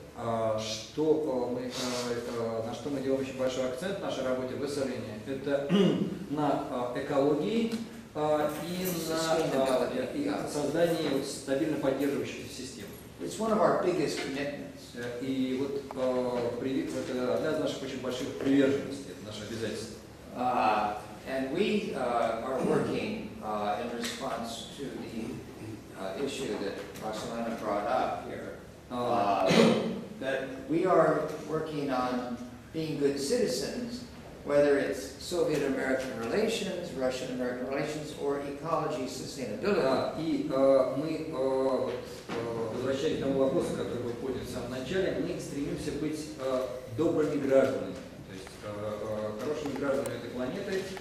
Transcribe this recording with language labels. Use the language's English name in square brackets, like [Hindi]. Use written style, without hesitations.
[Russian] На что мы делаем очень большой акцент в нашей работе в Эсалене, это на экологии и на создании стабильно поддерживающейся системы. [English] It's one of our biggest commitments. [Russian] И вот это одна из наших очень больших приверженностей, это наше обязательство. [English] And we are working in response to the issue that Roxolana brought up here. That we are working on being good citizens, whether it's Soviet-American relations, Russian-American relations, or ecology sustainability. [Russian] И мы, возвращаясь к тому вопросу, который был поднят в самом начале, мы стремимся быть добрыми гражданами, то есть хорошими гражданами этой планеты.